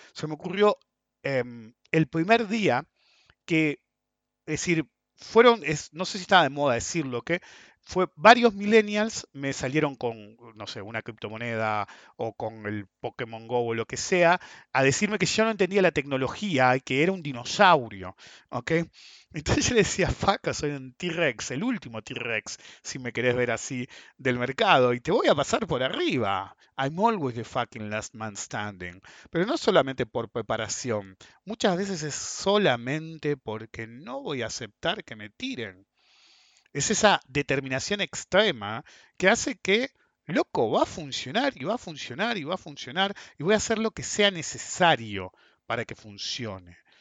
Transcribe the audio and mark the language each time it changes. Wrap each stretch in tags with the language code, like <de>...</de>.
<es>Se me ocurrió el primer día que, es decir, no sé si estaba de moda decirlo, que fue varios millennials, me salieron con, no sé, una criptomoneda o con el Pokémon Go o lo que sea, a decirme que yo no entendía la tecnología y que era un dinosaurio, ¿ok? Entonces yo le decía, faca, soy un T-Rex, el último T-Rex, si me querés ver así, del mercado, y te voy a pasar por arriba.</es> <en>I'm always the fucking last man standing.</en> <es>Pero no solamente por preparación, muchas veces es solamente porque no voy a aceptar que me tiren. Es esa determinación extrema que hace que, loco, va a funcionar y va a funcionar y va a funcionar y voy a hacer lo que sea necesario para que funcione.</es>